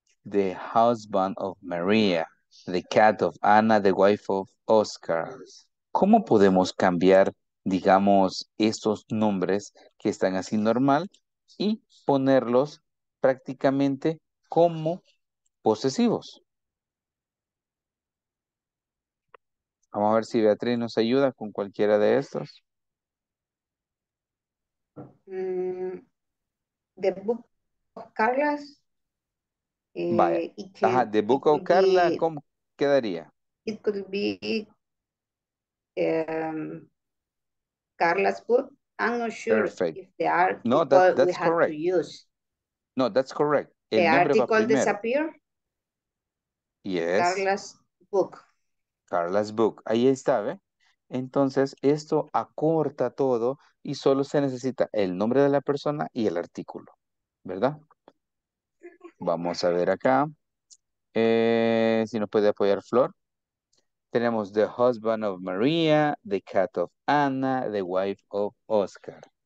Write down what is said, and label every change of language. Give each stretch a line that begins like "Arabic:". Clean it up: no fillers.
English: The husband of Maria, the cat of Anna, the wife of Oscar.
Spanish: ¿Cómo podemos cambiar, digamos, estos nombres que están así normal y ponerlos prácticamente como posesivos? Vamos a ver si Beatriz nos ayuda con cualquiera de estos.
English: The book of Carlos.
Spanish: Vaya. Ajá,
English: The Book of Carla,
Spanish: ¿cómo quedaría?
English: It could be Carla's book. I'm not sure. Perfect. If the article no, that's we correct. Have to use. No, that's correct.
Spanish: El
English: the article disappear. Yes. Carla's book. Carla's book.
Spanish: Ahí está, ¿ve? Entonces, esto acorta todo y solo se necesita el nombre de la persona y el artículo, ¿verdad? Vamos a ver acá, si nos puede apoyar Flor. Tenemos
English: the husband of Maria, the cat of Anna, the wife of Oscar.